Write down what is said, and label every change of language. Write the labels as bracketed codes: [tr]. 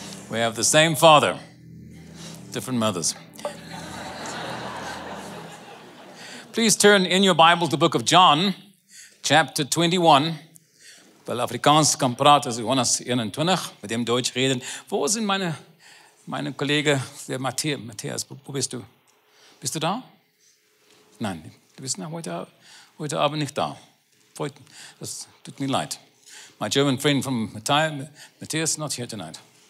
[en] We have the same father, different mothers. Please turn in your Bible to the book of John, chapter 21. [de] Weil Afrikaans [af] kan praat as [de] Johannes 21, mit dem Deutsch reden. Wo sind meine Kollege, der Matthias, wo bist du? Bist du da? Nein, du bist heute Abend nicht da. Das tut mir leid. [en] My German friend from Matthias is not here tonight.